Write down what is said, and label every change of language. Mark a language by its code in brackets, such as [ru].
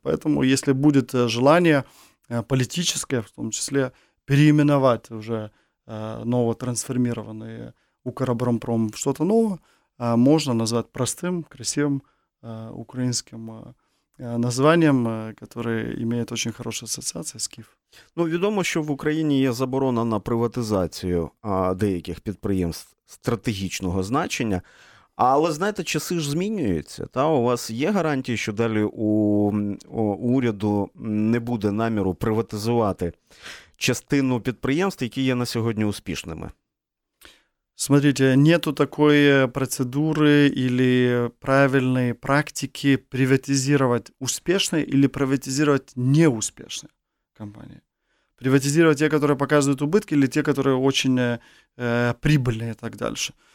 [ru] Поэтому, если будет желание политическое, в том числе, переименовать уже ново трансформированный Укроборонпром в что-то новое, можно назвать простым, красивым украинским [uk] названням, яке має дуже хорошу асоціацію з Київ. Ну, відомо, що в Україні є заборона на приватизацію деяких підприємств стратегічного значення. Але, знаєте, часи ж змінюються. Та у вас є гарантії, що далі у уряду не буде наміру приватизувати частину підприємств, які є на сьогодні успішними? [ru] Смотрите, нету такой процедуры или правильной практики приватизировать успешные или приватизировать неуспешные компании. Приватизировать те, которые показывают убытки, или те, которые очень прибыльные и так дальше.